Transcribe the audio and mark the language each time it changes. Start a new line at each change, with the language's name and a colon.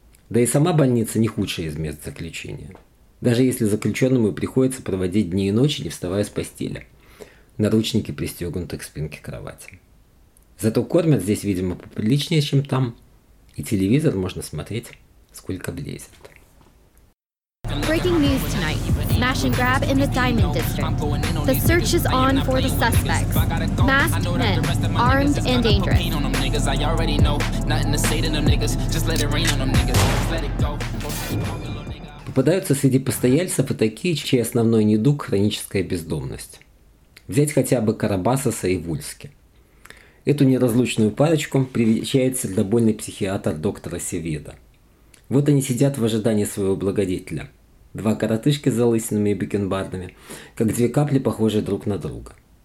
Russian: Да и сама больница не худшая из мест заключения. Даже если заключенному приходится проводить дни и ночи, не вставая с постели. Наручники пристегнуты к спинке кровати. Зато кормят здесь, видимо, поприличнее, чем там. И телевизор можно смотреть, сколько влезет.
English: Breaking news tonight. Smash and grab in the Diamond District. The search is on for the suspects. Masked men, armed and dangerous.
Russian: Попадаются среди постояльцев и такие, чей основной недуг – хроническая бездомность. Взять хотя бы Карабасаса и Вульски. Эту неразлучную парочку привечает сердобольный психиатр доктора Севеда. Вот они сидят в ожидании своего благодетеля. Два коротышки с залысинами и бекенбардами, как две капли, похожие друг на друга.